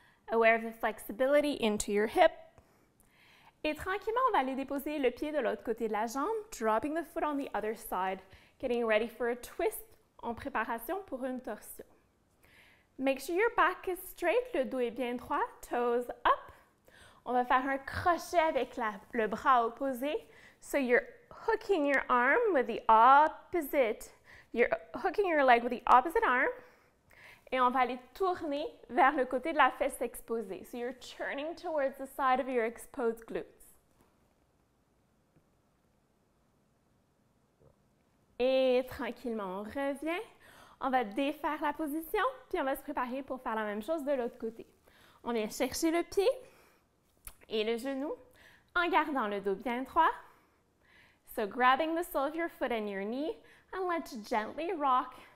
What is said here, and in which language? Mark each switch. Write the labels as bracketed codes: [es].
[en] Aware of the flexibility into your hip. [fr] Et tranquillement, on va aller déposer le pied de l'autre côté de la jambe, [en] dropping the foot on the other side, getting ready for a twist [fr] en préparation pour une torsion. [en] Make sure your back is straight, [fr] le dos est bien droit, [en] toes up. [fr] On va faire un crochet avec le bras opposé. [en] So you're hooking your arm with the opposite. You're hooking your leg with the opposite arm. [fr] Et on va aller tourner vers le côté de la fesse exposée. [en] So you're turning towards the side of your exposed glutes. [fr] Et tranquillement, on revient. On va défaire la position, puis on va se préparer pour faire la même chose de l'autre côté. On vient chercher le pied et le genou en gardant le dos bien droit. [en] So grabbing the sole of your foot and your knee, and let's gently rock.